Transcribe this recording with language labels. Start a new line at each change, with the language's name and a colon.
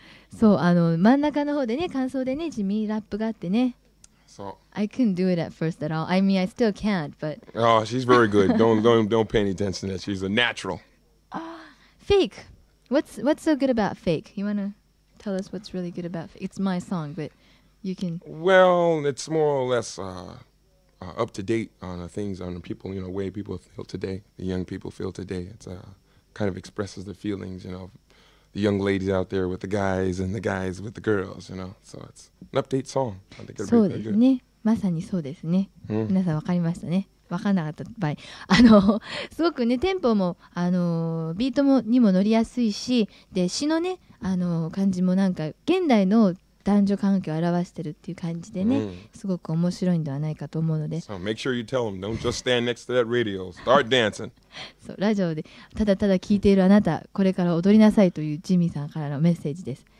Japanese: 真ん中の方でね、感想でね、地味ラップがあってね。
English: So, I couldn't do it at first at all. I mean, I still can't, but... Oh, she's very good. don't pay any attention to that. She's a natural. Fake. What's so good about fake? You want to tell us what's really good about fake? It's my song, but you can... Well, it's more or less... up to date on things, on people, you know, way people feel today, the young people feel today. It's kind of expresses the feelings, you know, the young ladies out there with the guys and the guys with the girls, you know. So it's an update song. I think it'll be good.
Japanese: そうですね。まさにそうですね。皆さんわかりましたね。わかんなかった場合、すごくね、テンポもビートもにも乗りやすいし、で詩のね感じもなんか現代の男女関係を表してるっていう感じでね、すごく面白いんではないかと思うので。
English: So make sure you tell them, don't just stand next to that radio, start dancing.
Japanese: そう、ラジオでただただ聞いているあなた、これから踊りなさいというジミーさんからのメッセージです。